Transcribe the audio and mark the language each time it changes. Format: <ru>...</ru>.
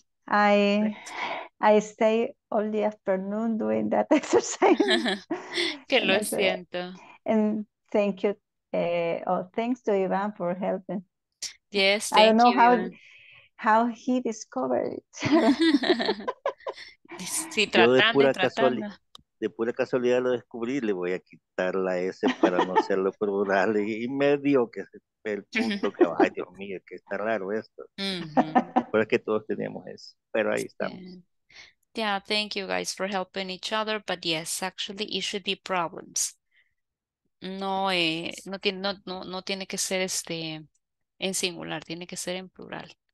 <en>I stay all the afternoon doing that exercise.</en> <es>Que lo siento.</es> <en>And thank you. Thanks to Ivan for helping. Yes, thank you. I don't know how he discovered it.</en> <es>Sí, tratando. De pura casualidad lo descubrí, le voy a quitar la S para no hacerlo por plural. Y me dio que es el punto que, ay, Dios mío, que está raro esto. Pero es que todos teníamos eso. Pero ahí estamos.</es> <en>Yeah, thank you guys for helping each other. But yes, actually, it should be problems.</en> <es>No tiene que ser en singular, tiene que ser en plural.</es>